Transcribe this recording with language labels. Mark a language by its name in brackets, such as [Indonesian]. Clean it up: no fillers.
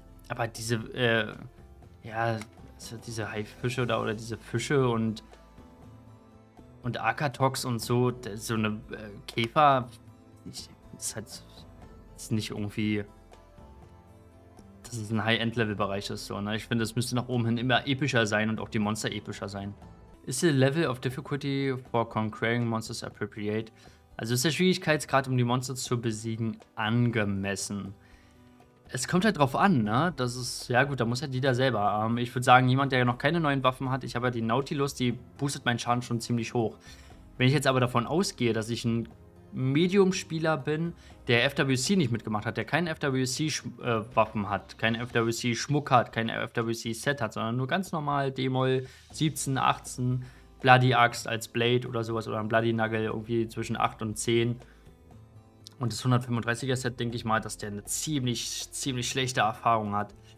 [German] Aber diese, ja, also diese Haifische da oder diese Fische und Akatox und so, so eine Käfer, ist nicht irgendwie. Dass es ein High-End-Level-Bereich ist, so, ne? Ich finde, es müsste nach oben hin immer epischer sein und auch die Monster epischer sein. [English] Is the level of difficulty for conquering monsters appropriate? [German] Also ist der Schwierigkeitsgrad, um die Monster zu besiegen, angemessen? Es kommt halt drauf an, ne? Das ist, ja gut, da muss halt jeder selber. Ich würde sagen, jemand, der noch keine neuen Waffen hat, ich habe ja die Nautilus, die boostet meinen Schaden schon ziemlich hoch. Wenn ich jetzt aber davon ausgehe, dass ich ein Medium-Spieler bin, der FWC nicht mitgemacht hat, der kein FWC-Waffen hat, kein FWC-Schmuck hat, kein FWC-Set hat, sondern nur ganz normal D-Moll 17, 18, Bloody Axt als Blade oder sowas oder ein Bloody Nagel irgendwie zwischen 8 und 10 und das 135er-Set, denke ich mal, dass der eine ziemlich, ziemlich schlechte Erfahrung hat.